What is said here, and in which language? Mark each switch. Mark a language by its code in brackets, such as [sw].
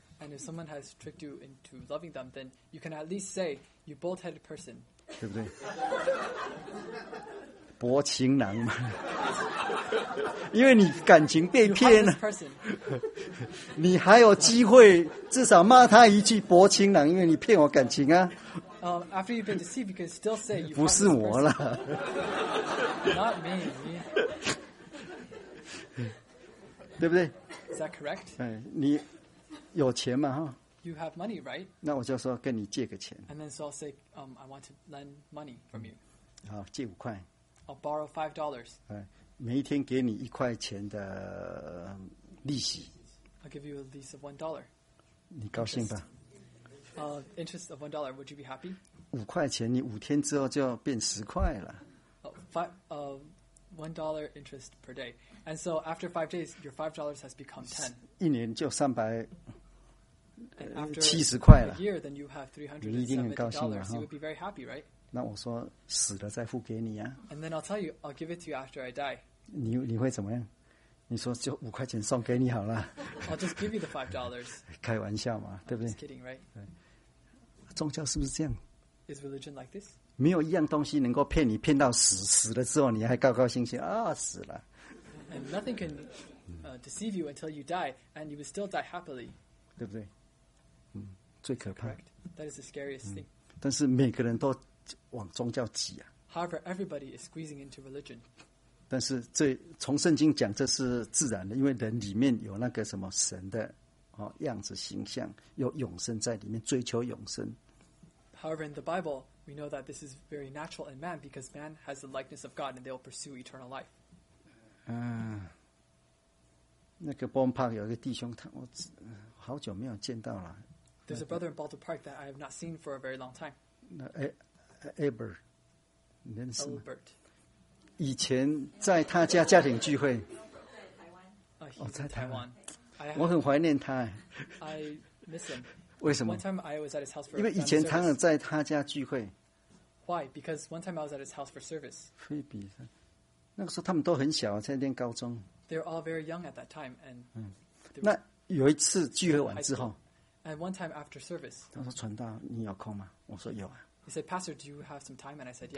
[en] And if someone has tricked you into loving them, then you can at least say, you bold-headed person. [zh] 对不对? 薄情郎嘛。因为你感情被骗了。你还有机会至少骂他一句薄情郎, 因为你骗我感情啊。 [en] After you've been deceived, you can still say, you [zh] 不是我了。 [en] Not me. [zh] 对不对? [en] Is that correct? [zh] 你 有钱嘛, huh? [en] You have money, right? [zh] 那我就说跟你借个钱。 [en] And then so I'll say, I want to lend money from you. [zh] 好, 借5块。 [en] I'll borrow $5. [zh] 每一天给你1块钱的利息。 [en] I'll give you a lease of $1. [zh] 你高兴吧? [en] Interest of $1, would you be happy? [zh] 5块钱你5天之后就要变10块了。 [en] $1 interest per day. And so after 5 days, your $5 has become 10. [zh] 一年就300... [en] And after a year, then you have $370. You would be very happy, right? [zh] 那我说死了再付给你啊。 [en] And then I'll tell you, I'll give it to you after I die. [zh] 你会怎么样? 你说就5块钱送给你好了。 [en] I'll just give you the $5. [zh] 开玩笑嘛, 对不对? [en] I'm just kidding, right? [zh] 宗教是不是这样? [en] Is religion like this? [zh] 没有一样东西能够骗你骗到死, 死了之后你还高高兴兴,死了。 [en] And nothing can deceive you until you die, and you would still die happily. [zh] 对不对?最可怕, [en] that is the scariest thing. [zh] 但是每个人都往宗教挤啊。 [en] However, everybody is squeezing into religion. [zh] 但是这从圣经讲，这是自然的， 因为人里面有那个什么神的样子形象， 有永生在里面， 追求永生。 [en] However, in the Bible, we know that this is very natural in man because man has the likeness of God and they will pursue eternal life. [zh] 那个Bonpark有一个弟兄， 我好久没有见到了。 [en] There's a brother in Baldwin Park that I have not seen for a very long time. Albert. Albert. [zh] 以前在他家家庭聚会。在台湾。我很怀念他。 [en] I miss him. [zh] 为什么? [en] One time I was at his house for [zh] 因为以前常常在他家聚会。 [en] Why? Because one time I was at his house for service. [zh] 菲比, 那个时候他们都很小, 在那边高中。 [en] They were all very young at that time. And [zh] 那有一次聚会完之后。 [en] And one time after service, [zh] 他说传道你有空吗?我说有啊。 [en] He said, Pastor, do you have some time? And I said, yes.